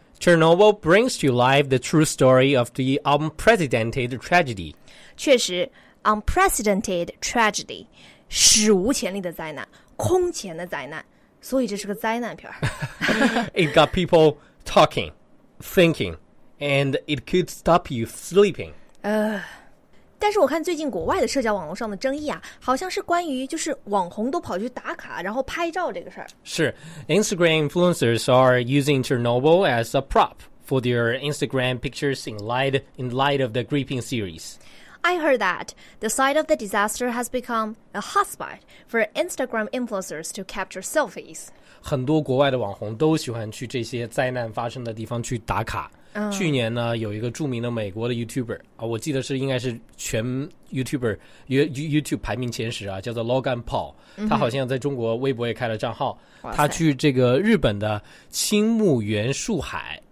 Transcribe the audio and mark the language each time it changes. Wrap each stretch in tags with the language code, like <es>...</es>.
<en>Chernobyl brings to life the true story of the unprecedented tragedy.</en> <zh>确实 ,</zh> <en>unprecedented tragedy,</en> <zh>史无前例的灾难，空前的灾难，所以这是个灾难片。</zh> <en>It got people talking, thinking, and it could stop you sleeping.</en> <zh>但是我看最近国外的社交网络上的争议啊，好像是关于就是网红都跑去打卡然后拍照这个事儿。是</zh> <en>Instagram influencers are using Chernobyl as a prop for their Instagram pictures in light of the gripping series. I heard that the site of the disaster has become a hotspot for Instagram influencers to capture selfies.</en> <zh>很多国外的网红都喜欢去这些灾难发生的地方去打卡。去年呢，有一个著名的美国的 YouTuber 啊，我记得是应该是全 YouTube 排名前十啊，叫做 Logan Paul， 他好像在中国微博也开了账号。他去这个日本的青木原树海。</zh>